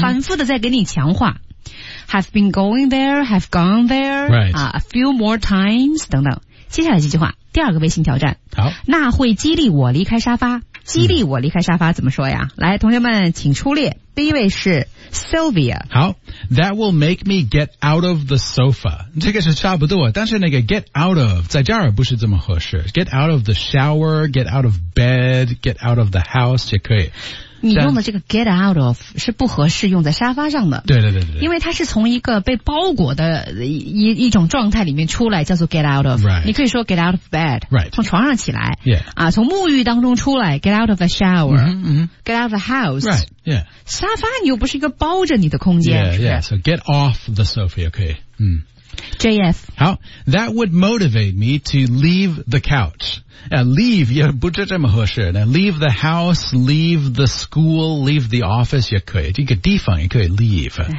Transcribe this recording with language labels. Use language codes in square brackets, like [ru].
[zh] 反复的在给你强化。 [en] Have been going there, have gone there, right,、 a few more times, [zh] 等等。接下来这句话第二个微信挑战。好。那会激励我离开沙发。激励我离开沙发怎么说呀、嗯、来同学们请出列。第一位是 Sylvia。好。 [en] That will make me get out of the sofa. [zh] 这个是差不多但是那个 get out of, 在这儿不是这么合适。 [en] Get out of the shower, get out of bed, get out of the house, [zh] 也可以。你用的这个 get out of 是不合适用在沙发上的对对对 对, 对因为它是从一个被包裹的 一种状态里面出来叫做 get out of、 [en] right. [zh] 你可以说 [en] get out of bed、 right. [zh] 从床上起来、 [en] yeah. [zh] 啊、从沐浴当中出来 [en] get out of the shower、 mm-hmm, mm-hmm. get out of the house、 right. yeah. [zh] 沙发你又不是一个包着你的空间 [en] yeah, yeah. so get off the sofa OK、mm. JF 好 that would motivate me to leave the couchleave [zh] 也不是这么合适的 [en] leave the house, leave the school, leave the office [zh] 也可以这个地方也可以 [en] leave、